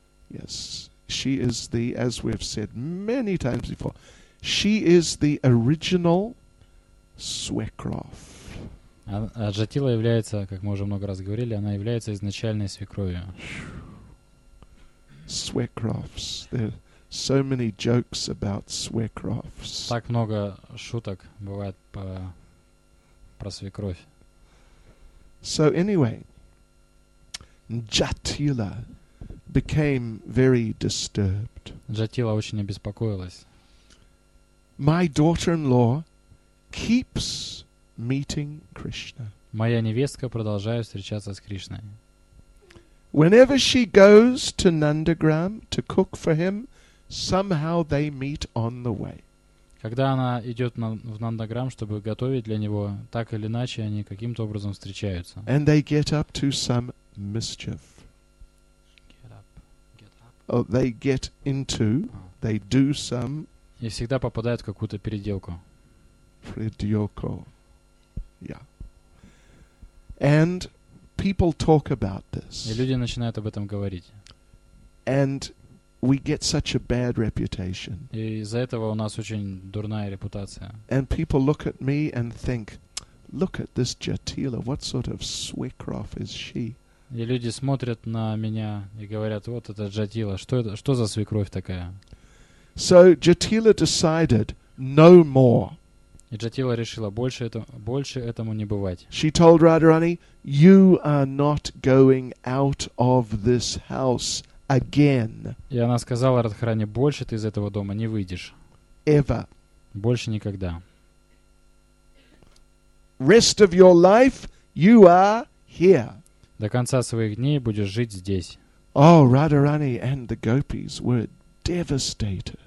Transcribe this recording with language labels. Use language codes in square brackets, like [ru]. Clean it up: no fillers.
[en] Yes, she is the, as we've said many times before, she is the original. [ru] Свекровь. Джатила является, как мы уже много раз говорили, она является изначальной свекровью. [en] Свекровь. There are so many jokes about свекровь. [ru] Так много шуток бывает про свекровь. [en] So anyway, Джатила became very disturbed. [ru] Джатила очень обеспокоилась. [en] My daughter-in-law keeps meeting Krishna. [ru] Моя невестка продолжает встречаться с Кришной. [en] Whenever she goes to Nandagram to cook for him, somehow they meet on the way. [ru] Когда она идет в Нандаграм, чтобы готовить для него, так или иначе они каким-то образом встречаются. [en] And they get up to some mischief. Get up. Oh, they get into, they do some. [ru] И всегда попадают в какую-то переделку. [en] Предьёко. Yeah. And people talk about this. [ru] И люди начинают об этом говорить. [en] And we get such a bad reputation. [ru] И из-за этого у нас очень дурная репутация. [en] And people look at me and think, look at this Jatila, what sort of swikrof is she? [ru] И люди смотрят на меня и говорят, вот это Джатила, что это, что за свекровь такая? [en] So Jatila decided, no more. [ru] И Джатила решила, больше этому не бывать. [en] She told Radharani, you are not going out of this house again. [ru] И она сказала Радхарани, больше ты из этого дома не выйдешь. [en] Ever. [ru] Больше никогда. [en] Rest of your life, you are here. [ru] До конца своих дней будешь жить здесь. [en] Oh, Radharani and the gopis were devastated.